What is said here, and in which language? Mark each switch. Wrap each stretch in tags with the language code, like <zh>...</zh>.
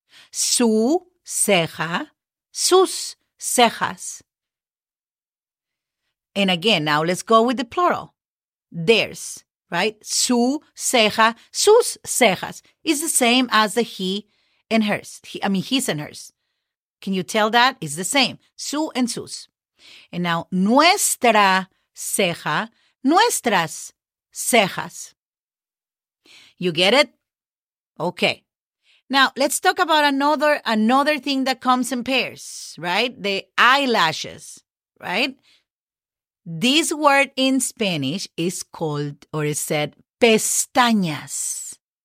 <es>Su ceja, sus cejas.</es> <en>And again, now let's go with the plural. Theirs, right?</en> <es>Su ceja, sus cejas.</es> <en>It's the same as the he and hers. His and hers. Can you tell that? It's the same. Su and sus.</en> <es>And now, nuestra ceja, nuestras cejas.</es> <en>You get it? Okay. Now, let's talk about another thing that comes in pairs, right? The eyelashes, right? This word in Spanish is called, or is said, pestañas.</en>